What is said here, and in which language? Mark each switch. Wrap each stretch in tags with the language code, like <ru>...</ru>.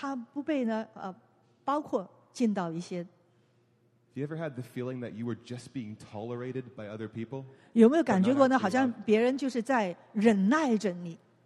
<zh>或者就感觉到呢,他不被呢,包括进到一些。</zh> <en>Have you ever had the feeling that you were just being tolerated by other people?</en> <zh>有没有感觉过呢,好像别人就是在忍耐着你?</zh>